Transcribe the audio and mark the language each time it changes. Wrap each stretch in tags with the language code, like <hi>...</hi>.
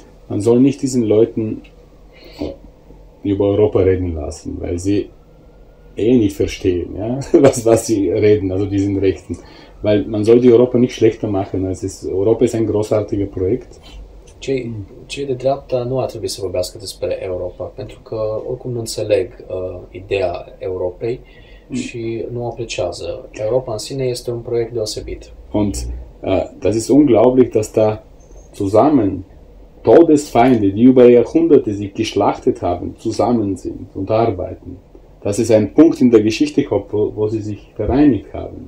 <de>Man soll nicht diesen Leuten über Europa reden lassen, weil sie nicht verstehen, ja, was sie reden, also diesen Rechten. Weil man soll die Europa nicht schlechter machen, als es, Europa ist ein großartiges Projekt.</de> <ro>Cei de dreapta nu ar trebui să vorbească despre Europa, pentru că oricum nu înțeleg ideea Europei și nu apreciază. Europa în sine este un proiect deosebit.</ro> <de>Und das ist unglaublich, dass da zusammen Todesfeinde, die über Jahrhunderte sich geschlachtet haben, zusammen sind und arbeiten. Das ist ein Punkt in der Geschichte, wo sie sich vereinigt haben.</de>